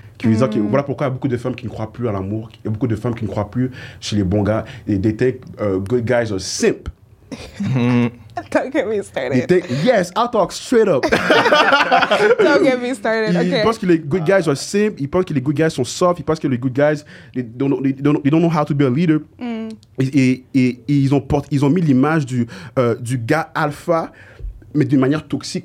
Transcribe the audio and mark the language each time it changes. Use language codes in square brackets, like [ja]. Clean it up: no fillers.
[fr] Qui veut dire que voilà pourquoi il y a beaucoup de femmes qui ne croient plus à l'amour, il y a beaucoup de femmes qui ne croient plus chez les bons gars. [en] Et they think good guys are simp. Don't get me started. Yes, I'll talk straight up. Don't get me started. [fr] Il pense que les [en] good guys are simple. [fr] Il pense que les good guys sont soft. Il pense que les [en] good guys they don't know how to be a leader. [fr] Ils ont mis l'image du gars alpha, mais d'une manière toxique.